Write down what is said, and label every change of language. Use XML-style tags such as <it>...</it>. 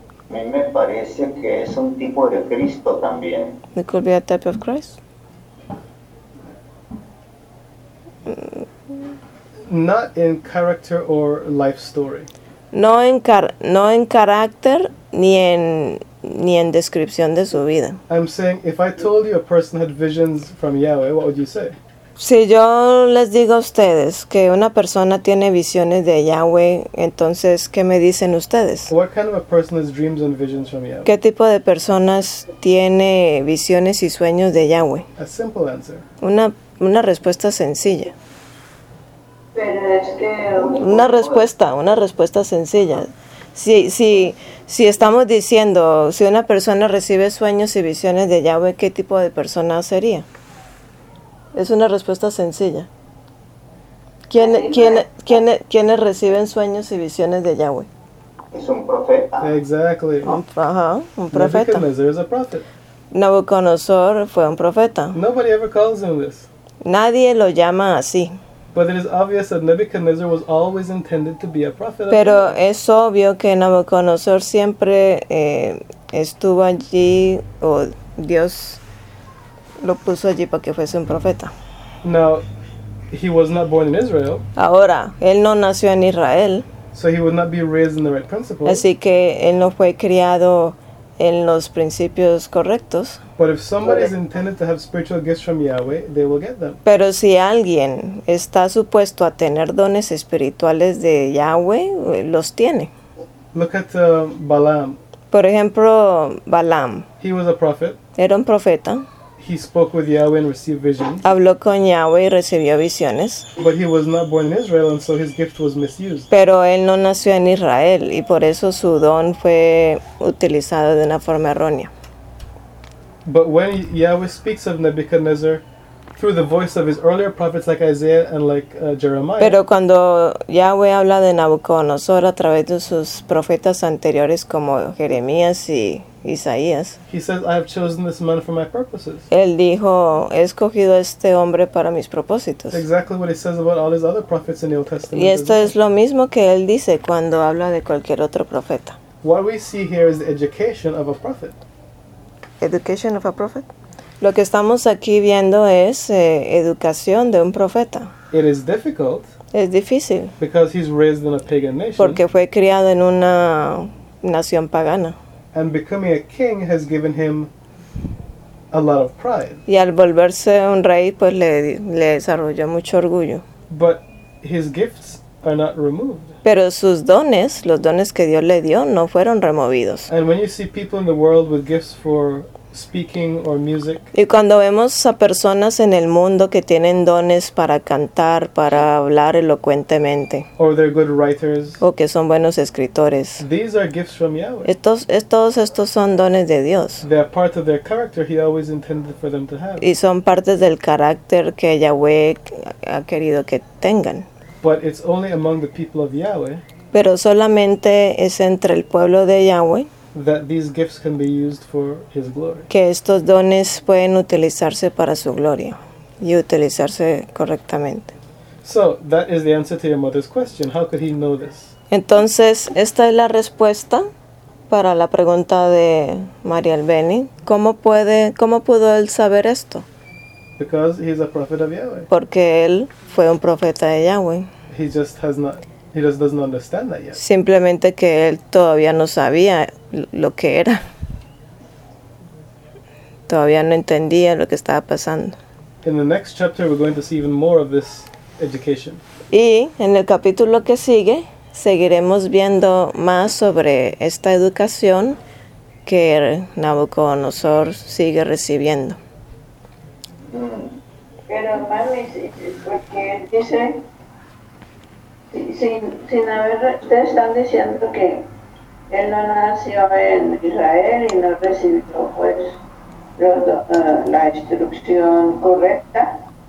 <es>A mí me parece que es un tipo de Cristo también.</es> <en>It could be a type of Christ. Not in character or life story.</en> <es>No en carácter ni en descripción de su vida.</es> <en>I'm saying if I told you a person had visions from Yahweh, what would you say?</en> <es>Si yo les digo a ustedes que una persona tiene visiones de Yahweh, entonces, ¿qué me dicen ustedes?</es> <en>What kind of a person has dreams and visions from Yahweh?</en> <es>¿Qué tipo de personas tiene visiones y sueños de Yahweh?</es> <en>A simple answer.</en> <es>Una respuesta sencilla. Pero es que... Una respuesta sencilla. Si estamos diciendo, si una persona recibe sueños y visiones de Yahweh, ¿qué tipo de persona sería? Es una respuesta sencilla. ¿Quiénes reciben sueños y visiones de Yahweh? Es un profeta.</es> <en>Exactly.</en> <es>Un profeta.</es> <en>Nebuchadnezzar is a prophet.</en> <es>Nabucodonosor fue un profeta.</es> <en>Nobody ever calls him this.</en> <es>Nadie lo llama así.</es> <en>But it is obvious that Nebuchadnezzar was always intended to be a prophet.</en> <es>Pero es obvio que Nabucodonosor siempre estuvo allí o Dios lo puso allí para que fuese un profeta.</es> <en>Now, he was not born in Israel.</en> <es>Ahora, él no nació en Israel.</es> <en>So he would not be raised in the right principles.</en> <es>Así que él no fue criado en los principios correctos.</es> <en>But if somebody is intended to have spiritual gifts from Yahweh, they will get them.</en> <es>Pero si alguien está supuesto a tener dones espirituales de Yahweh, los tiene.</es> <en>Look at Balaam.</en> <es>Por ejemplo, Balaam.</es> <en>He was a prophet.</en> <es>Era un profeta.</es> <en>He spoke with Yahweh and received visions.</en> <es>Habló con Yahweh y recibió visiones.</es> <en>But he was not born in Israel, and so his gift was misused.</en> <es>Pero él no nació en Israel, y por eso su don fue utilizado de una forma errónea.</es> <en>But when Yahweh speaks of Nebuchadnezzar through the voice of his earlier prophets like Isaiah and like Jeremiah.</en> <es>Pero cuando Yahweh habla de Nabucodonosor a través de sus profetas anteriores como Jeremías y Isaías.</es> <en>He says, I have chosen this man for my purposes.</en> <es>Él dijo, he escogido este hombre para mis propósitos.</es> <en>Exactly what he says about all his other prophets in the Old Testament.</en> <es>Y esto es lo mismo que él dice cuando habla de cualquier otro profeta.</es> <en>What we see here is the education of a prophet. Education of a prophet?</en> <es>Lo que estamos aquí viendo es educación de un profeta.</es> <en>It is difficult.</en> <es>Es difícil.</es> <en>Because he's raised in a pagan nation.</en> <es>Porque fue criado en una nación pagana.</es> <en>And becoming a king has given him a lot of pride.</en> <es>Y al volverse un rey, pues le desarrolló mucho orgullo.</es> <en>But his gifts are not removed.</en> <es>Pero sus dones, los dones que Dios le dio, no fueron removidos.</es> <en>And when you see people in the world with gifts for speaking or music.</en> <es>Y cuando vemos a personas en el mundo que tienen dones para cantar, para hablar elocuentemente.</es> <en>Or they're good writers.</en> <es>O que son buenos escritores.</es> <en>These are gifts from Yahweh.</en> <es>Todos estos son dones de Dios.</es> <en>They're part of their character he always intended for them to have.</en> <es>Y son partes del carácter que Yahweh ha querido que tengan.</es> <en>But it's only among the people of Yahweh.</en> <es>Pero solamente es entre el pueblo de Yahweh.</es> <en>That these gifts can be used for his glory.</en> <es>Que estos dones pueden utilizarse para su gloria y utilizarse correctamente.</es> <en>So, that is the answer to your mother's question. How could he know this?</en> <es>Entonces, esta es la respuesta para la pregunta de María Albeni. ¿Cómo pudo él saber esto?</es> <en>Because he is a prophet of Yahweh.</en> <es>Porque él fue un profeta de Yahweh.</es> <en>He just doesn't understand that yet.</en> <es>Simplemente que él todavía no sabía lo que era. Todavía no entendía lo que estaba pasando.</es> <en>In the next chapter we're going to see even more of this education.</en> <es>Y en el capítulo que sigue seguiremos viendo más sobre esta educación que Nabucodonosor sigue recibiendo. Pero mami, porque él dice sin haber, te están diciendo que él no nació en Israel y no recibió pues la instrucción correcta.</es>